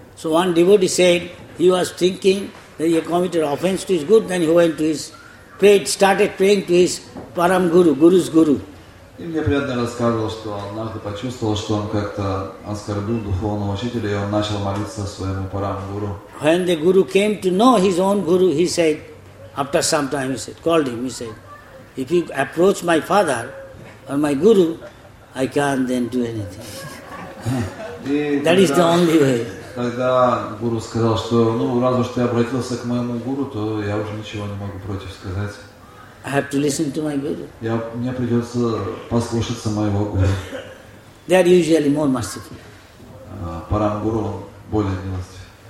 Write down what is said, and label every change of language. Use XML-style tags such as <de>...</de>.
<en>So one devotee said, he was thinking, then he committed offense to his guru, then he went to his, prayed, started praying to his param guru, guru's guru.</en> <ru>И мне преданный рассказывал, что он однажды почувствовал, что он как-то оскорбил духовного учителя, и он начал молиться своему парам гуру.</ru> <en>When the guru came to know his own guru, he said, after some time, he said, called him, he said, if you approach my father or my guru, I can't then do anything. That is the only way.</en> <ru>Тогда гуру сказал, что раз уж ты обратился к моему гуру, то я уже ничего не могу против сказать.</ru> <en>I have to listen to my guru.</en> <ru>Мне придется послушаться моего гуру.</ru> <en>They are usually more merciful.</en> <ru>Парам гуру более милостив.</ru>